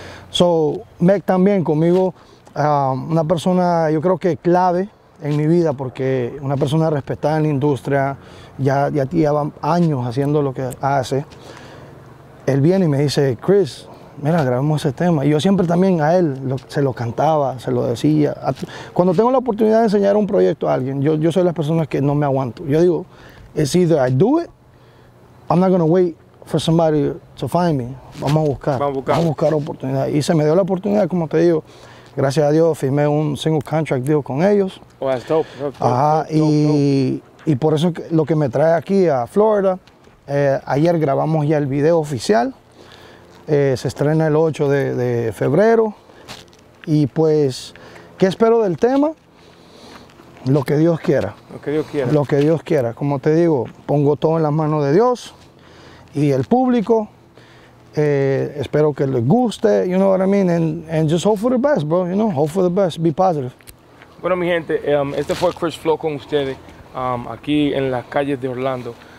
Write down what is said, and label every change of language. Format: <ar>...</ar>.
<en>So,</en> <es>Mac también conmigo, una persona, yo creo que clave en mi vida, porque una persona respetada en la industria, ya lleva años haciendo lo que hace. Él viene y me dice, Chris, mira, grabemos ese tema. Y yo siempre también a él se lo cantaba, se lo decía. Cuando tengo la oportunidad de enseñar un proyecto a alguien, yo soy de las personas que no me aguanto. Yo digo,</es> <en>it's either I do it, I'm not gonna wait for somebody to find me.</en> <es>Vamos a buscar oportunidad. Y se me dio la oportunidad, como te digo, gracias a Dios, firmé un</es> <en>single contract deal</en> <es>con ellos.</es> <en>Oh, that's dope. That's dope.</en> <es>Ajá, dope, y por eso lo que me trae aquí a Florida. Ayer grabamos ya el video oficial. Se estrena el 8 de febrero. Y pues, ¿qué espero del tema? Lo que Dios quiera. Lo que Dios quiera. Lo que Dios quiera. Como te digo, pongo todo en las manos de Dios y el público. Espero que les guste,</es> <en>you know what I mean, and just hope for the best, bro, you know, hope for the best, be positive.</en> <es>Bueno, mi gente, este fue Chris Flow con ustedes, aquí en las calles de Orlando.</es>